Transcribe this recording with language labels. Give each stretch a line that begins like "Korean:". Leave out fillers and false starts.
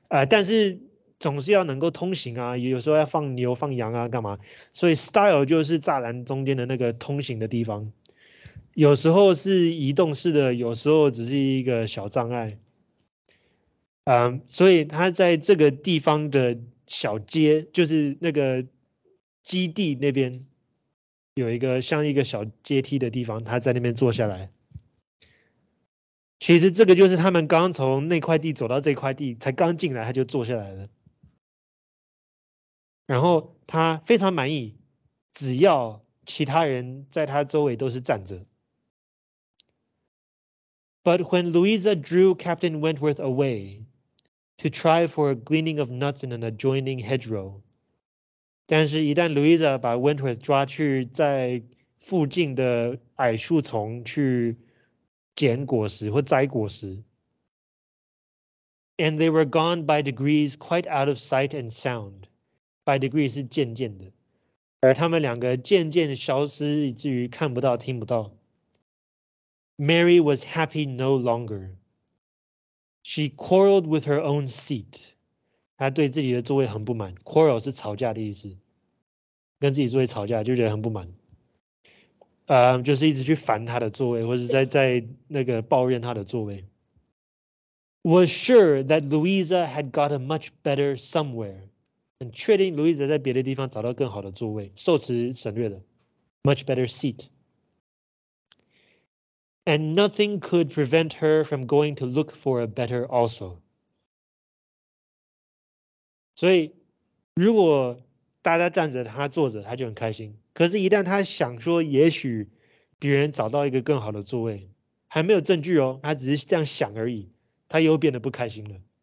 Chinese: 但是总是要能够通行啊，有时候要放牛放羊啊干嘛，所以 stile 就是栅栏中间的那个通行的地方，有时候是移动式的，有时候只是一个小障碍，所以他在这个地方的小街就是那个基地那边有一个像一个小阶梯的地方，他在那边坐下来。其实这个就是他们刚从那块地走到这块地，才刚进来他就坐下来了。然后他非常满意，只要其他人在他周围都是站着。
English: But when Louisa drew Captain Wentworth away to try for a gleaning of nuts in an adjoining hedgerow,
Chinese: 但是一旦 Louisa 把 Wentworth 抓去在附近的矮树丛去捡果实或摘果实
English: ，and they were gone by degrees, quite out of sight and sound.
Chinese: By degrees 是渐渐的，而他们两个渐渐消失，以至于看不到、听不到。
English: Mary was happy no longer. She quarrelled with her own seat.
Chinese: 她对自己的座位很不满。Quarrel 是吵架的意思，跟自己座位吵架，就觉得很不满。就是一直去烦他的座位，或者在那个抱怨他的座位。
English: Was sure that Louisa had got a much better somewhere.
Chinese: 很确定 Louisa 在别的地方找到更好的座位，受词省略的
English: much better seat. And nothing could prevent her from going to look for a better also.
Chinese: 所以如果大家站着他坐着他就很开心，可是一旦他想说也许别人找到一个更好的座位，还没有证据哦，他只是这样想而已，他又变得不开心了。